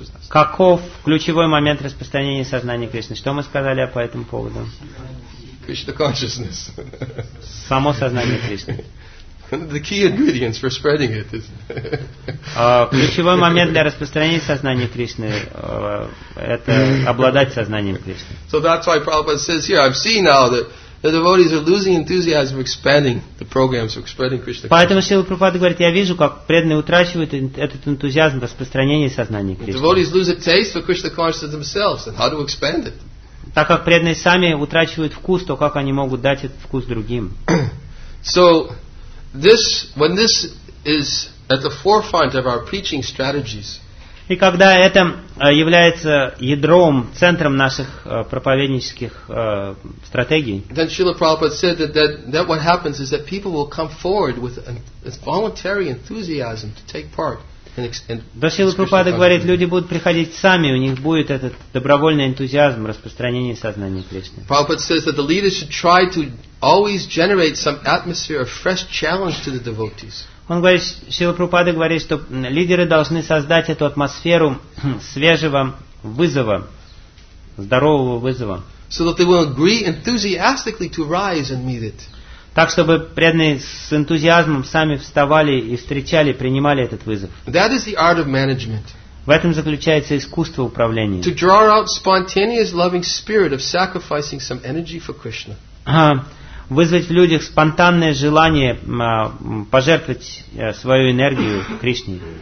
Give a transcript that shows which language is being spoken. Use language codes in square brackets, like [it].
[ru] Каков ключевой момент распространения сознания Кришны? Что мы сказали по этому поводу? [en] Krishna consciousness. [ru] Само сознание Кришны. [en] The key ingredients for spreading it is. [ru] Ключевой момент для распространения сознания Кришны это обладать сознанием Кришны. [en] So that's why Prabhupada says here, I've seen now that the devotees are losing enthusiasm for expanding the programs, for spreading Krishna consciousness. [ru] Поэтому Шрила Прабхупада говорит, я вижу, как преданные утрачивают этот энтузиазм распространения сознания Кришны. [en] The devotees lose a taste for Krishna consciousness themselves, and how to expand it? [ru] Так как преданные сами утрачивают вкус, то как они могут дать этот вкус другим? [en] So, when this is at the forefront of our preaching strategies. [ru] И когда это является ядром, центром наших проповеднических стратегий. [en] Then Srila Prabhupada said that what happens is that people will come forward with a voluntary enthusiasm to take part. [ru] Да, Шрила Прабхупада говорит, люди будут приходить сами, у них будет этот добровольный энтузиазм распространения сознания Кришны. [en] Prabhupada says that the leaders should try to always generate some atmosphere of fresh challenge to the devotees. [ru] Он говорит, Шрила Прабхупада говорит, что лидеры должны создать эту атмосферу свежего вызова, здорового вызова. [en] So that they will agree enthusiastically to rise and meet it. [ru] Так, чтобы преданные с энтузиазмом сами вставали и встречали, принимали этот вызов. [en] That is the art of management. [ru] В этом заключается искусство управления. [en] To draw out spontaneous loving spirit of sacrificing some energy for Krishna. [ru] Вызвать в людях спонтанное желание пожертвовать свою энергию Кришне.